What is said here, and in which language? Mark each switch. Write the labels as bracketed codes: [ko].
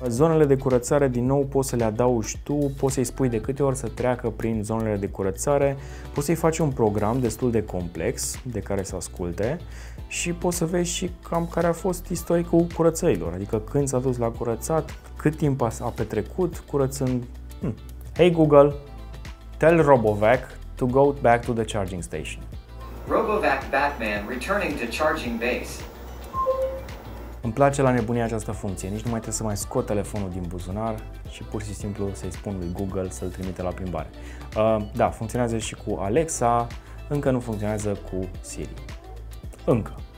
[ro] Zonele de curățare, din nou, poți să le adaugi tu, poți să-i spui de câte ori să treacă prin zonele de curățare, poți să-i faci un program destul de complex de care să asculte și poți să vezi și cam care a fost istoricul curățărilor, adică când s-a dus la curățat, cât timp a petrecut curățând. [en] Hey Google, tell RoboVac to go back to the charging station. RoboVac Batman returning to charging base. [ro] Îmi place la nebunie această funcție, nici nu mai trebuie să mai scot telefonul din buzunar și pur și simplu să-i spun lui Google să-l trimite la plimbare. Da, funcționează și cu Alexa, încă nu funcționează cu Siri. Încă.